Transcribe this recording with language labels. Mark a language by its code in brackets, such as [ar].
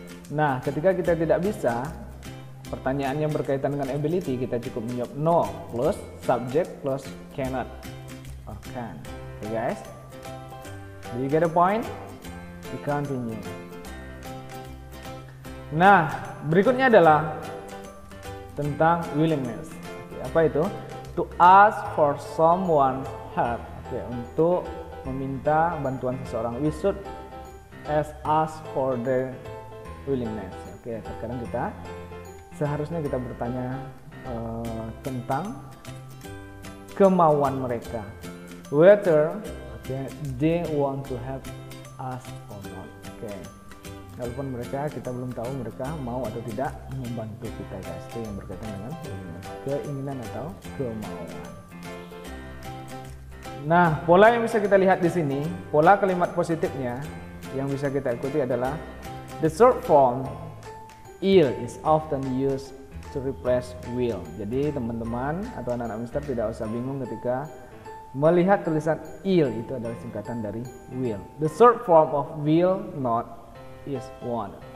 [id] Nah, ketika kita tidak bisa, pertanyaan yang berkaitan dengan ability, kita cukup menjawab [en] no plus subject plus cannot or can. Oke, guys. Do you get the point? We continue. [id] Nah, berikutnya adalah tentang willingness. Oke, apa itu? [en] To ask for someone's help. [id] Oke, untuk meminta bantuan seseorang. [en] We should ask for their willingness. [id] Oke, sekarang kita seharusnya kita bertanya tentang kemauan mereka. [en] Whether they want to help us or not. [id] Oke. Walaupun mereka, kita belum tahu mereka mau atau tidak membantu kita, guys. Itu yang berkaitan dengan keinginan atau kemauan. Nah, pola yang bisa kita lihat di sini, pola kalimat positifnya yang bisa kita ikuti adalah [en] the short form ill is often used to replace will. [id] Jadi, teman-teman atau anak-anak mister tidak usah bingung ketika melihat tulisan ill itu adalah singkatan dari will. [en] The short form of will not is want.